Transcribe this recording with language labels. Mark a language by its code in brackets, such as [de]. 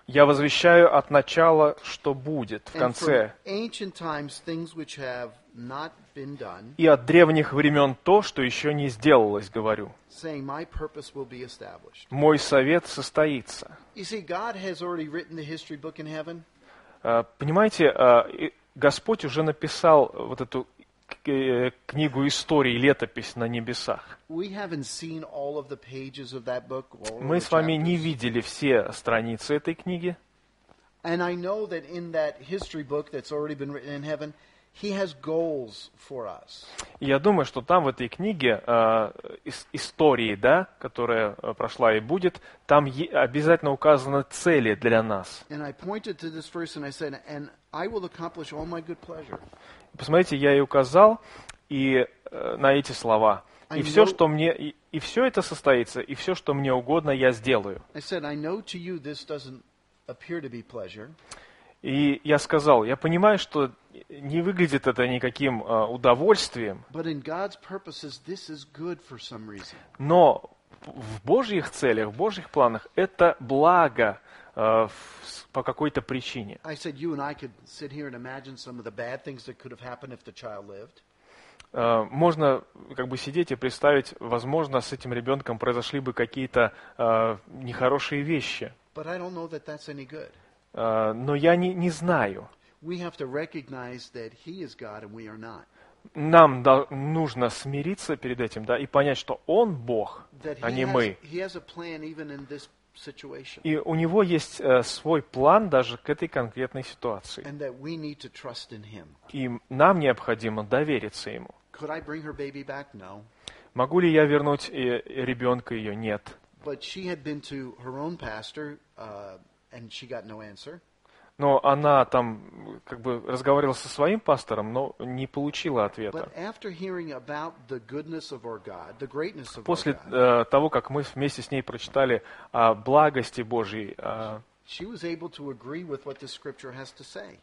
[ru] Я возвещаю от начала, что будет в конце. [en] And from ancient times things which have not been done. [ru] И от древних времен то, что еще не сделалось, говорю. [en] Saying my purpose will be established. [ru] Мой совет состоится. [en] You see, God has already written the history book in heaven. [ru] Понимаете, Господь уже написал вот эту книгу истории, летопись на небесах. Мы с вами не видели все страницы этой книги. [en] And I know that in that history book that's already been written in heaven, he has goals for us. [ru] Я думаю, что там в этой книге истории, да, которая прошла и будет, там обязательно указаны цели для нас. [en] And I pointed to this verse and I said, and I will accomplish all my good pleasure. [ru] Посмотрите, я и указал и на эти слова. И все, что мне, и все это состоится, и все, что мне угодно, я сделаю. [en] I said, I know to you this doesn't appear to be pleasure. [ru] И я сказал, я понимаю, что не выглядит это никаким удовольствием. [en] But in God's purposes, this is good for some reason. [ru] Но в Божьих целях, в Божьих планах это благо по какой-то причине. [en] I said, you and I could sit here and imagine some of the bad things that could have happened if the child lived. [ru] Можно как бы сидеть и представить, возможно, с этим ребенком произошли бы какие-то нехорошие вещи. [en] But I don't know that that's any good. [ru] Но я не знаю. [en] We have to recognize that he is God and we are not. [ru] Нам нужно смириться перед этим, да, и понять, что он Бог, а не мы. [en] He has a plan even in this situation. [ru] И у него есть свой план даже к этой конкретной ситуации. [en] And that we need to trust in him. [ru] И нам необходимо довериться ему. [en] Could I bring her baby back? No. [ru] Могу ли я вернуть ребенка ее? Нет. [en] But she had been to her own pastor, and she got no answer. [ru] Но она там как бы разговаривала со своим пастором, но не получила ответа. [en] But after hearing about the goodness of our God, the greatness of our God. [ru] После того, как мы вместе с ней прочитали о благости Божьей, [en] she was able to agree with what the scripture has to say.